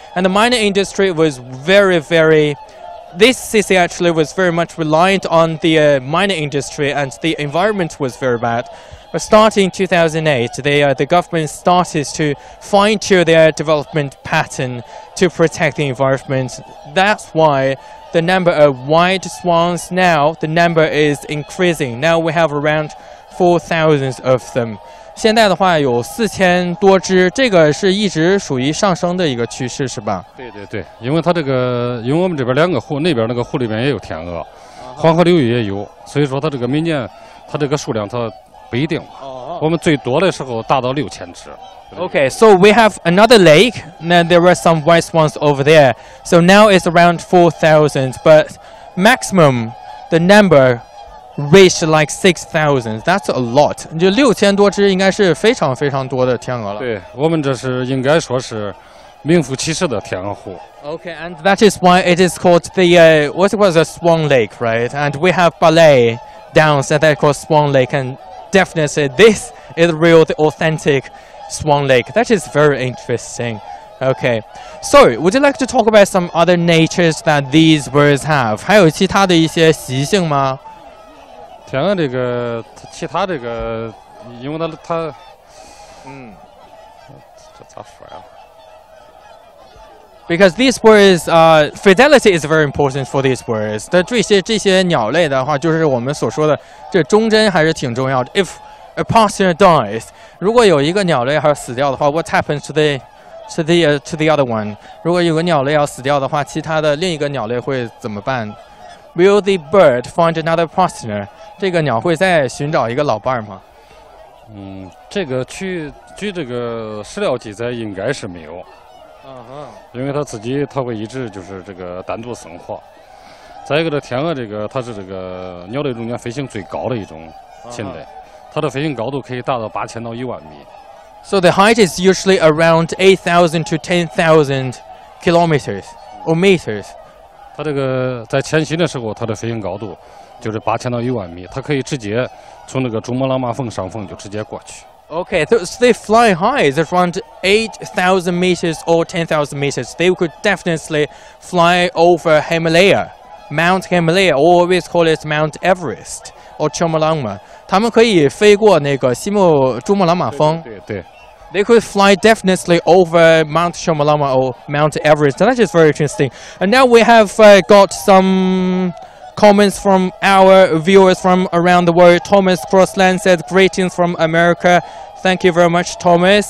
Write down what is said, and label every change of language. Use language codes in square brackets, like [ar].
[en] And the mining industry was very, very, this city actually was very much reliant on the mining industry, and the environment was very bad. But starting 2008, the government started to fine-tune their development pattern to protect the environment. That's why the number of white swans now, the number is increasing. Now we have around 4,000 of them. [zh] 现在的话有4000多只，这个是一直属于上升的一个趋势，是吧？对对对，因为它这个，因为我们这边两个湖，那边那个湖里面也有天鹅，黄河流域也有，所以说它这个每年，它这个数量它不一定。我们最多的时候达到6000只。 [en] Okay, so we have another lake, and there were some white swans over there. So now it's around 4,000, but maximum the number reached like 6,000. That's a lot. [zh] 就六千多只应该是非常非常多的天鹅了。对，我们这是应该说是名副其实的天鹅湖。 [en] Okay, and that is why it is called the what was a swan lake, right? And we have ballet dance that is called Swan Lake, and definitely this is real, the authentic Swan Lake. That is very interesting. Okay, so would you like to talk about some other natures that these birds have? [zh] 还有其他的一些习性吗？天鹅这个，其他这个，因为它，这咋说呀？ [en] Because these birds, fidelity is very important for these birds. [zh] 但这些鸟类的话，就是我们所说的这忠贞还是挺重要的。 [en] If a partner dies, [zh] 如果有一个鸟类还死掉的话 [en] ，what happens to the other one? [zh] 如果有个鸟类要死掉的话，其他的另一个鸟类会怎么办？ [en] Will the bird find another partner? [zh] 这个鸟会再寻找一个老伴吗？这个据这个史料记载，应该是没有。因为它自己它会一直就是这个单独生活。再一个，这天鹅这个它是这个鸟类中间飞行最高的一种禽类，它的飞行高度可以达到8000到10000米。 [en] So the height is usually around 8,000 to 10,000 kilometers or meters. [zh] 它这个在迁徙的时候，它的飞行高度就是8000到10000米，它可以直接从那个珠穆朗玛峰上峰就直接过去。 [en] Okay, so they fly high, it's around 8,000 meters or 10,000 meters. They could definitely fly over Himalaya, Mount Himalaya, or we call it Mount Everest or Chu Mo Lama. [zh] 他们可以飞过那个珠穆朗玛峰。对对。 [en] They could fly definitely over Mount Chu Mo Lama or Mount Everest. That is very interesting. And now we have got some comments from our viewers from around the world. Thomas Crossland says, greetings from America. Thank you very much, Thomas.